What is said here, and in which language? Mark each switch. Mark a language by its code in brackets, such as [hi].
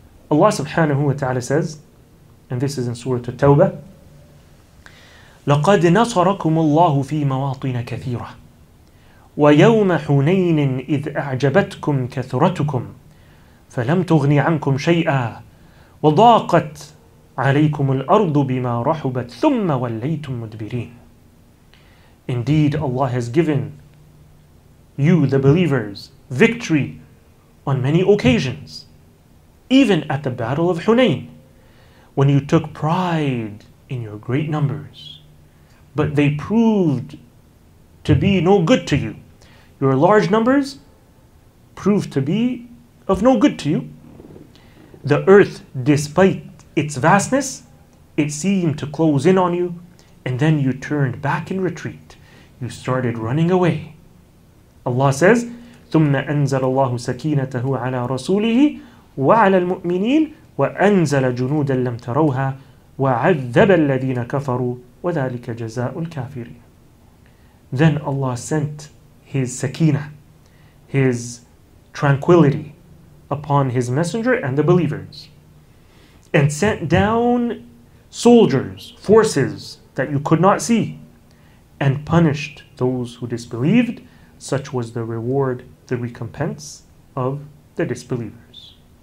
[en] Allah subhanahu wa ta'ala says, and this is in Surah At-Tawbah, [ar] لَقَدْ نَصَرَكُمُ اللَّهُ فِي مَوَاطِنَ كَثِيرَةً وَيَوْمَ حُنَيْنٍ إِذْ أَعْجَبَتْكُمْ كَثْرَتُكُمْ فَلَمْ تُغْنِ عَنْكُمْ شَيْئًا وَضَاقَتْ عَلَيْكُمُ الْأَرْضُ بِمَا رَحُبَتْ ثُمَّ وَلَّيْتُمْ مُدْبِرِينَ. [en] Indeed, Allah has given you, the believers, victory on many occasions, even at the Battle of Hunain, when you took pride in your great numbers, but they proved to be no good to you. Your large numbers proved to be of no good to you. The earth, despite its vastness, it seemed to close in on you, and then you turned back in retreat. You started running away. Allah says, [ar] ثُمَّ أَنزَلَ اللَّهُ سَكِينَتَهُ عَلَىٰ رَسُولِهِ وَعَلَىٰ الْمُؤْمِنِينَ وَأَنزَلَ جُنُودًا لَمْ تَرَوْهَا وَعَذَّبَ الَّذِينَ كَفَرُوا وَذَلِكَ جَزَاءُ الْكَافِرِينَ. [en] Then Allah sent His Sakina, His tranquility upon his messenger and the believers, and sent down soldiers, forces that you could not see, and punished those who disbelieved. Such was the reward, the recompense of the disbelievers.